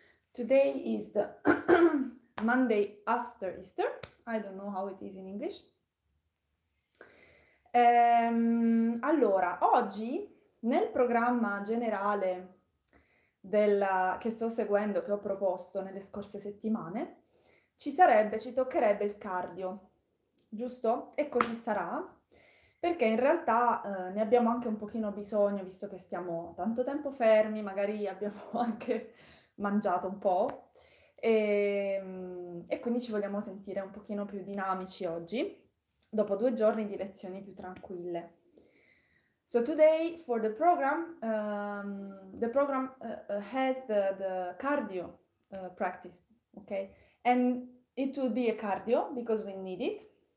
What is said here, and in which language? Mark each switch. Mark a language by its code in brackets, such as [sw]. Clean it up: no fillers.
[en] Today is the Monday after Easter. I don't know how it is in English. [it] Allora, oggi nel programma generale che sto seguendo, che ho proposto nelle scorse settimane, ci toccherebbe il cardio, giusto? E così sarà, perché in realtà ne abbiamo anche un pochino bisogno, visto che stiamo tanto tempo fermi, magari abbiamo anche mangiato un po', e quindi ci vogliamo sentire un pochino più dinamici oggi. Dopo 2 giorni di lezioni più tranquille. [en] So today for the program has the cardio practice, okay? And it will be a cardio because we need it.